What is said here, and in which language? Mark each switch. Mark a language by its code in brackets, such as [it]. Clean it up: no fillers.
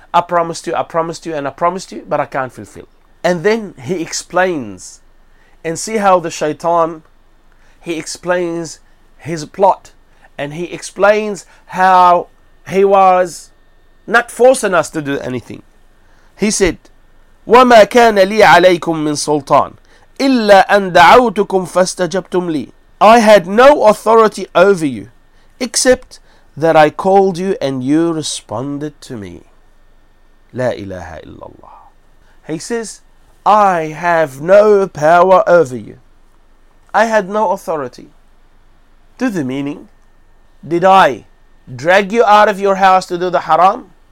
[en] I promised you, but I can't fulfill. And then he explains. And see how the shaitan, he explains his plot. And he explains how he was not forcing us to do anything. He said, [ar] وَمَا كَانَ لِي عَلَيْكُمْ مِنْ سُلْطَانٍ إِلَّا أَنْ دَعَوْتُكُمْ فَاسْتَجَبْتُمْ لِي. [en] I had no authority over you, except that I called you and you responded to me. La ilaha illallah. He says, I have no power over you. I had no authority. To the meaning, did I drag you out of your house to do the haram?